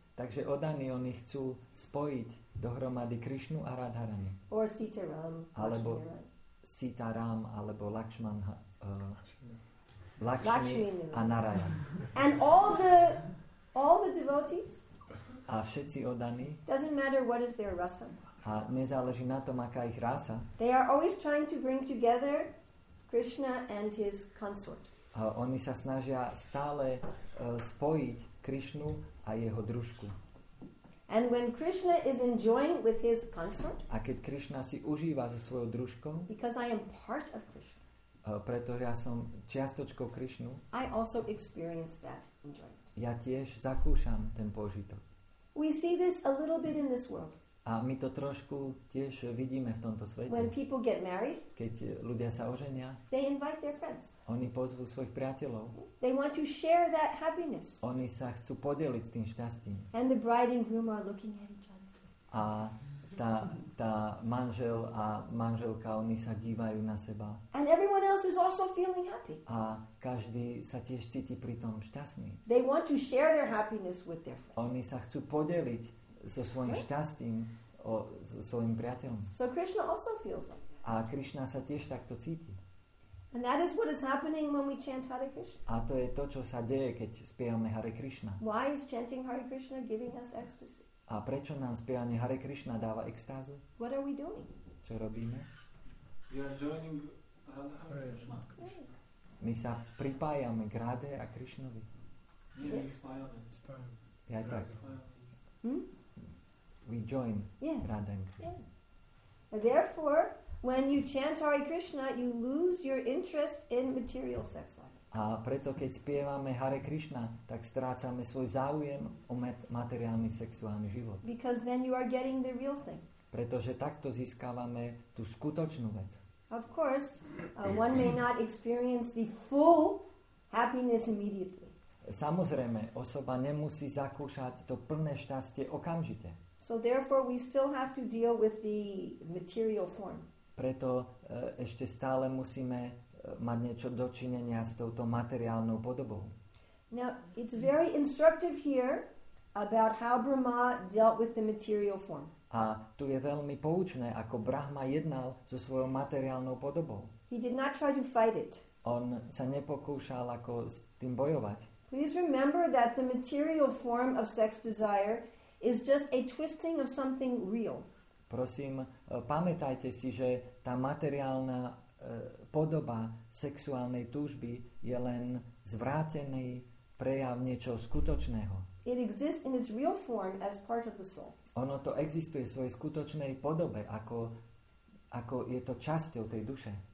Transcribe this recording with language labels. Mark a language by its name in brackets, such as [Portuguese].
[Slovak] Takže oddaní oni chcú spojiť dohromady Krishnu a Radharani. [English] Or Sita Ram, [Slovak] alebo Sita Ram alebo Lakshman, Lakshmi a Narayan. [English] And all the devotees? [Slovak] A všetci oddaní? [English] Doesn't matter what is their rasa. [Slovak] A nezáleží na tom, aká ich rasa. [English] They are always trying to bring together Krishna and his consort. [Slovak] A oni sa snažia stále spojiť Krishnu a jeho družku. [English] And when Krishna is enjoying with his consort? [Slovak] A keď Krishna si užíva so svojou družkou? [English] Because I am part of Krishna. [Slovak] Pretože ja som čiastočkou Krishnu. [English] I also experience that enjoyment. [Slovak] Ja tiež zakúšam ten požitok. [English] We see this a little bit in this world. [Slovak] A my to trošku tiež vidíme v tomto svete. [English] When people get married, [Slovak] keď ľudia sa oženia, [English] they invite their friends. [Slovak] Oni pozvú svojich priateľov. [English] They want to share that happiness. [Slovak] Oni sa chcú podeliť s tým šťastím. [English] And the bride and groom are looking at each other. [Slovak] A tá manžel a manželka, oni sa dívajú na seba. [English] And everyone else is also feeling happy. [Slovak] A každý sa tiež cíti pri tom šťastný. [English] They want to share their happiness with their friends. [Slovak] Oni sa chcú podeliť so svojím šťastím, so svojím priateľom. [English] So Krishna also feels like that. [Slovak] A Krishna sa tiež takto cíti. [English] And that is what is happening when we chant Hare Krishna. [Slovak] A to je to, čo sa deje, keď spievame Hare Krishna. [English] Why is chanting Hare Krishna giving us ecstasy? [Slovak] A prečo nám spievanie Hare Krishna dáva extázu? [English] What are we doing? [Slovak] Čo robíme? [English] We are joining Hare Krishna. [Slovak] My sa pripájame k Radhe a Krishnovi. Nie, my spájame. Ja tak. [English] We join Radhe and Krishna. Therefore, when you chant Hare Krishna, you lose your interest in material sex life. [Slovak] A preto, keď spievame Hare Krishna, tak strácame svoj záujem o materiálny sexuálny život. [English] Because then you are getting the real thing. [Slovak] Pretože takto získavame tú skutočnú vec. [English] Of course, one may not experience the full happiness immediately. [Slovak] Samozrejme, osoba nemusí zakúšať to plné šťastie okamžite. [English] So therefore we still have to deal with the material form. [Slovak] Preto ešte stále musíme mať niečo dočinenia s touto materiálnou podobou. [English] Now, it's very instructive here about how Brahma dealt with the material form. [Slovak] A tu je veľmi poučné, ako Brahma jednal so svojou materiálnou podobou. [English] He did not try to fight it. [Slovak] On sa nepokúšal ako s tým bojovať. [English] Please remember that the material form of sex desire is just a twisting of something real. [Slovak] Prosím, pamätajte si, že tá materiálna podoba sexuálnej túžby je len zvrátený prejav niečoho skutočného. [English] It exists in its real form as part of the soul. [Slovak] Ono to existuje v svojej skutočnej podobe, ako je to časťou tej duše.